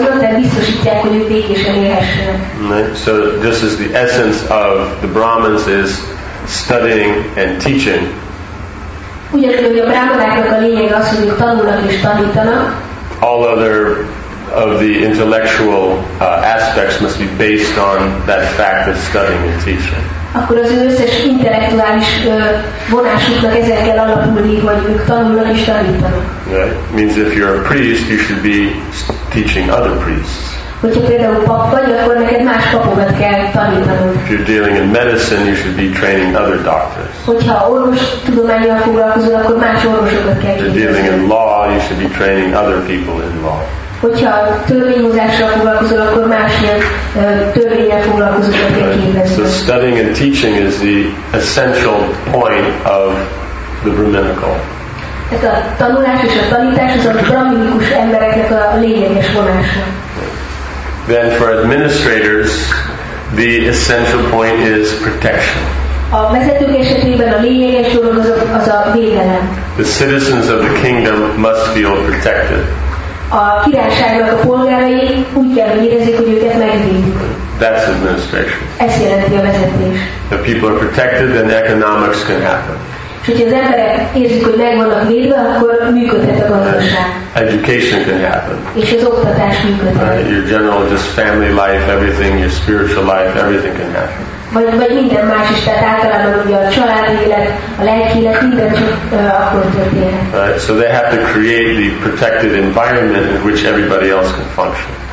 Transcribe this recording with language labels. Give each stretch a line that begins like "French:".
English: So this is the essence of the Brahmins is studying and teaching. All other of the intellectual aspects must be based on that fact of studying and teaching.
Hungarian: Akkor az összes intellektuális vonásuknak ezzel kell alapulni, hogy ők tanulnak és tanítanak.
English: Right. Means if you're a priest, you should be teaching other priests.
Hungarian: Hogyha például pap vagy, akkor neked más papokat kell tanítanod.
English: If you're dealing in medicine, you should be training other doctors.
Hungarian: Hogyha orvos tudományjal foglalkozol, akkor más orvosokat kell képezni.
English: If you're dealing in law, you should be training other people in law.
Hungarian: Hogyha törvényhozással foglalkozol, akkor más ilyen törvényel foglalkozókat kell képezni.
English: So studying and teaching is the essential point of the brahminical.
Hungarian: Ez a tanulás és a tanítás az a brahminikus embereknek a lényeges vonása.
English: Then for administrators, the essential point is protection.
Hungarian: A vezetők esetében a lényeges dolog az a védelem.
English: The citizens of the kingdom must feel protected.
Hungarian: A királyságnak a polgárai úgy kell, hogy érezzék, hogy őket megvédik.
English: That's administration.
Hungarian: Ez jelenti a vezetés.
English: If people are protected, then economics can happen.
Hungarian: És hogyha az emberek érzik, hogy meg vannak védve, akkor működhet a gazdaság.
English: Education can happen.
Hungarian: És az oktatás működhet.
English: Your general, just family life, everything, your spiritual life, everything can happen.
Hungarian: Vagy minden más is, tehát általában ugye a családi élet, a lelki élet, minden csak akkor történhet.
English: Right, so they have to create the protected environment in which everybody else can function.